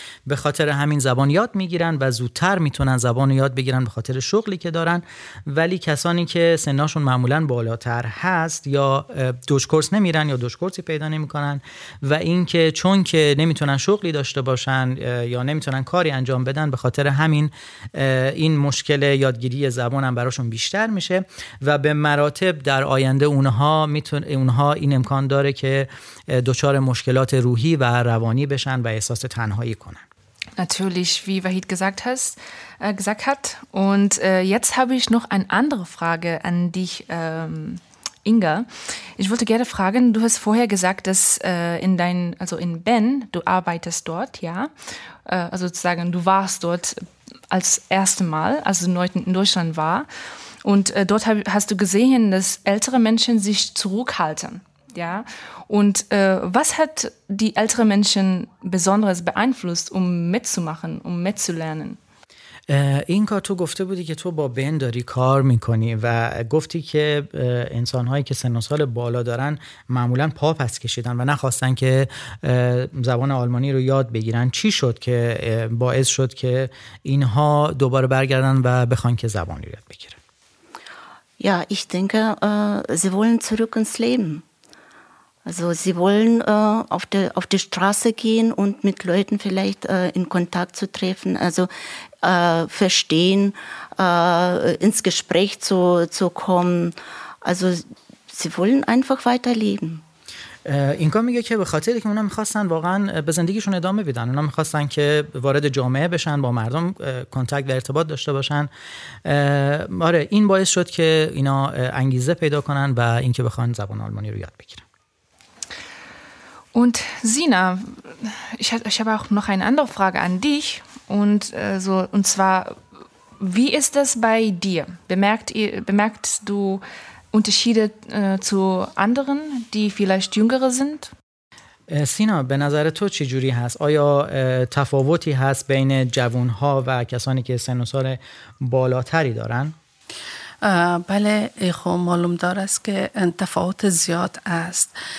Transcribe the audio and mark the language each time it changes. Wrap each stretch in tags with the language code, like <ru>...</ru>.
<fa>به خاطر همین زبان یاد میگیرن و زودتر میتونن زبان رو یاد بگیرن به خاطر شغلی که دارن ولی کسانی که سنشون معمولاً بالاتر هست یا دوش کورس نمیرن یا دوش کورسی پیدا نمیکنن و اینکه چون که نمیتونن شغلی داشته باشن یا نمیتونن کاری انجام بدن به خاطر همین این مشکل یادگیری زبان هم براشون بیشتر میشه و به مراتب در آینده اونها این امکان داره که دچار مشکلات روحی و روانی بشن و احساس تنهایی کنن.</fa> <de>Natürlich, wie Wahid gesagt hat. Und jetzt habe ich noch eine andere Frage an dich, Inga. Ich wollte gerne fragen, du hast vorher gesagt, dass in Bern, du arbeitest dort, ja? Also sozusagen, du warst dort als erste Mal, als du neu in Deutschland war. Und dort hast du gesehen, dass ältere Menschen sich zurückhalten. Ja? Und was hat die älteren Menschen besonders beeinflusst, um mitzumachen, um mitzulernen?</de> <fa>این کار تو گفته بودی که تو با بن داری کار میکنی و گفتی که انسانهایی که سن و سال بالا دارن معمولا پا پس کشیدن و نخواستن که زبان آلمانی رو یاد بگیرن. چی شد که باعث شد که اینها دوباره برگردن و بخوان که زبان یاد بگیرن؟</fa> <de>Ja, ich denke, sie wollen zurück ins Leben. Also sie wollen auf die Straße gehen und mit Leuten vielleicht in Kontakt zu treffen, also verstehen, ins Gespräch zu kommen. Also sie wollen einfach weiterleben.</de> <fa>این کار میگه که به خاطر اینکه اونا میخواستن واقعا به زندگیشون ادامه بدن، اونا میخواستن که وارد جامعه بشن، با مردم کانتکت و ارتباط داشته باشن. آره، این باعث شد که اینا انگیزه پیدا کنن و اینکه بخوان زبان آلمانی رو یاد بگیرن.</fa> <de>Und Sina, ich habe auch noch eine andere Frage an dich und so und zwar wie ist das bei dir? Bemerkst du Unterschiede zu anderen, die vielleicht jüngere sind?</de> <fa>Sina, به نظر تو چه جوری هست؟ آیا تفاوتی هست بین جوان‌ها و کسانی که سن و سال بالاتری دارن؟ بله، خب معلوم دار است که تفاوت زیاد است.</fa>